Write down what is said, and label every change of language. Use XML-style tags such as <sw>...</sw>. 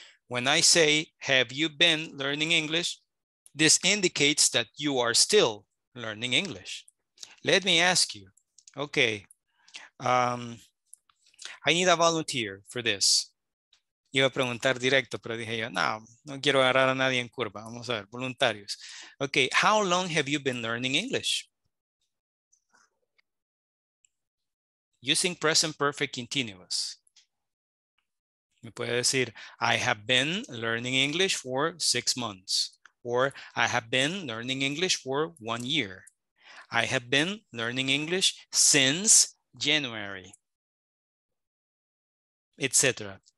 <en>When I say, have you been learning English? This indicates that you are still learning English. Let me ask you, okay, I need a volunteer for this.</en> <es>Iba a preguntar directo, pero dije yo, no, no quiero agarrar a nadie en curva. Vamos a ver, voluntarios.</es> <en>Okay, how long have you been learning English? Using present perfect continuous.</en> <es>Me puede decir,</es> <en>I have been learning English for 6 months. Or I have been learning English for 1 year. I have been learning English since January, etc.</en>